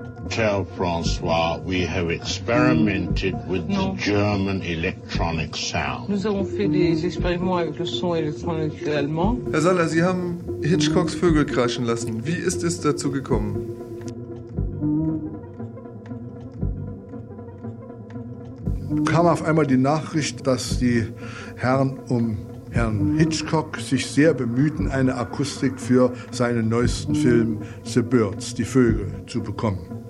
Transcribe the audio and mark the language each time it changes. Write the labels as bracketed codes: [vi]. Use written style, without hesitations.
[en] Tell François we have experimented with the German electronic sound. [fr] Nous avons fait des expériments avec le son électronique allemand. [de] Herr Saller, Sie haben Hitchcocks Vögel kreischen lassen. Wie ist es dazu gekommen? Kam auf einmal die Nachricht, dass die Herren um Herrn Hitchcock sich sehr bemühten, eine Akustik für seinen neuesten Film The Birds, die Vögel, zu bekommen.